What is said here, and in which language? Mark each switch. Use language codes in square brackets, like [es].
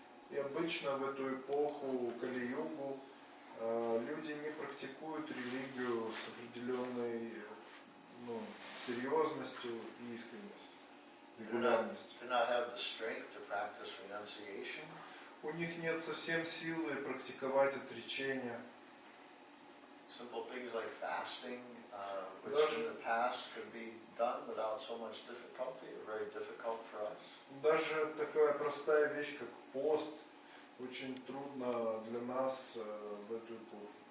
[ru] И обычно в эту эпоху Кали-Югу люди не практикуют религию с определенной, ну, серьезностью и искренностью, регулярностью. [en] They not have the strength to practice renunciation. [ru] У них нет совсем силы практиковать отречение. [en] Simple things like fasting, which in the past could be done without so much difficulty, or very difficult for us. [ru] Даже такая простая вещь, как пост, очень трудно для нас в эту эпоху.